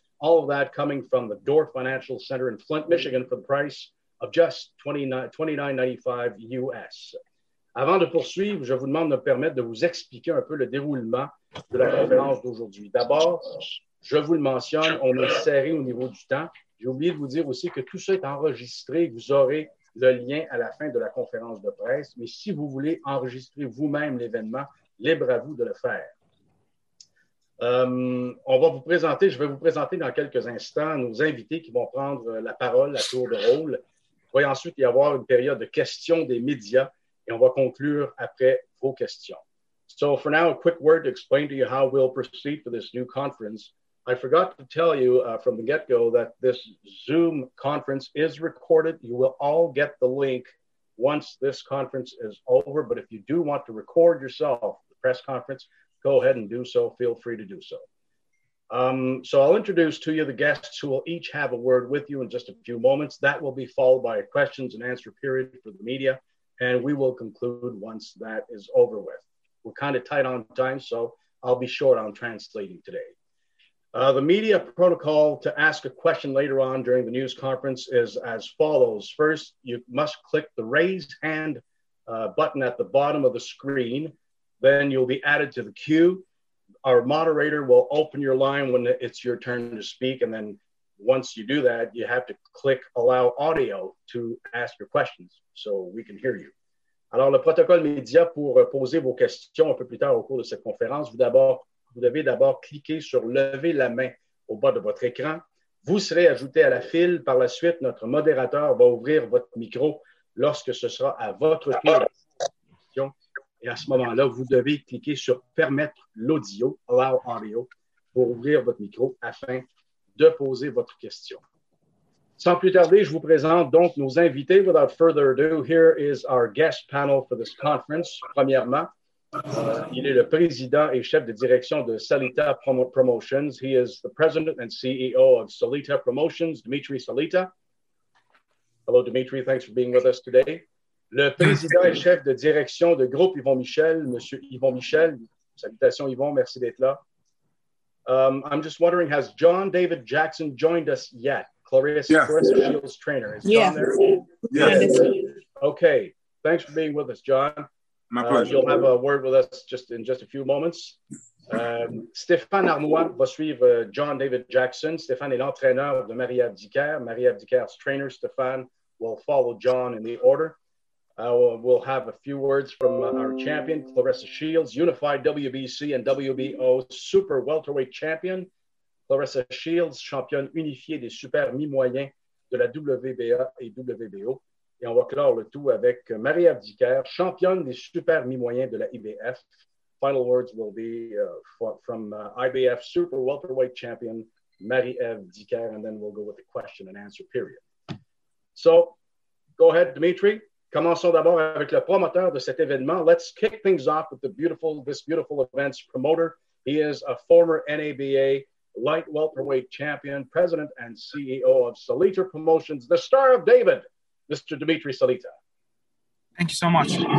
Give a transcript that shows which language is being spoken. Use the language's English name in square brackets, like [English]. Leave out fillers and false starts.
[English] All of that coming from the Dort Financial Center in Flint, Michigan, for the price of just $29.95 US. [French] Avant de poursuivre, je vous demande de me permettre de vous expliquer un peu le déroulement de la conférence d'aujourd'hui. D'abord, je vous le mentionne, on est serré au niveau du temps. J'ai oublié de vous dire aussi que tout ça est enregistré. Vous aurez le lien à la fin de la conférence de presse. Mais si vous voulez enregistrer vous-même l'événement, libre à vous de le faire. Je vais vous présenter dans quelques instants nos invités qui vont prendre la parole à tour de rôle. Il va ensuite y avoir une période de questions des médias et on va conclure après vos questions. [English] So for now, a quick word to explain to you how we'll proceed for this new conference. I forgot to tell you from the get-go that this Zoom conference is recorded. You will all get the link once this conference is over. But if you do want to record yourself the press conference, go ahead and do so. Feel free to do so. So I'll introduce to you the guests who will each have a word with you in just a few moments. That will be followed by a questions and answer period for the media. And we will conclude once that is over with. We're kind of tight on time, so I'll be short on translating today. The media protocol to ask a question later on during the news conference is as follows. First, you must click the raised hand button at the bottom of the screen. Then you'll be added to the queue. Our moderator will open your line when it's your turn to speak. And then once you do that, you have to click allow audio to ask your questions so we can hear you. [French] Alors, le protocole média pour poser vos questions un peu plus tard au cours de cette conférence, vous devez d'abord cliquer sur « Lever la main » au bas de votre écran. Vous serez ajouté à la file. Par la suite, notre modérateur va ouvrir votre micro lorsque ce sera à votre tour. Et à ce moment-là, vous devez cliquer sur « Permettre l'audio »,« Allow audio » pour ouvrir votre micro afin de poser votre question. Sans plus tarder, je vous présente donc nos invités. [English] Without further ado, here is our guest panel for this conference. [French] Premièrement, il est le président et chef de direction de Salita Promotions. [English] He is the president and CEO of Salita Promotions, Dimitri Salita. Hello, Dimitri. Thanks for being with us today. [French] Le président et chef de direction de groupe Yvon Michel, Monsieur Yvon Michel. Salutations, Yvon. Merci d'être là. [English] I'm just wondering, has John David Jackson joined us yet? Claressa Shields trainer. Is John there? Yes. Okay. Thanks for being with us, John. My pleasure. You'll have a word with us in just a few moments. Stéphane Arnois [French] va suivre [English] John David Jackson. [French] Stéphane est l'entraîneur de Marie-Ève Dicaire. [English] Marie-Ève Dicaire's trainer, Stéphane, will follow John in the order. We'll have a few words from our champion, Claressa Shields, unified WBC and WBO super welterweight champion. [French] Claressa Shields, championne unifiée des super mi-moyens de la WBA et WBO. Et on va clore le tout avec Marie-Ève Dicaire, championne des super mi-moyens de la IBF. [English] Final words will be from IBF super welterweight champion Marie-Ève Dicaire, and then we'll go with the question and answer period. So, go ahead, Dimitri. [French] Commençons d'abord avec le promoteur de cet événement. [English] Let's kick things off with this beautiful event's promoter. He is a former NABA light welterweight champion, president and CEO of Salita Promotions, the Star of David, Mr. Dimitri Salita. Thank you so much.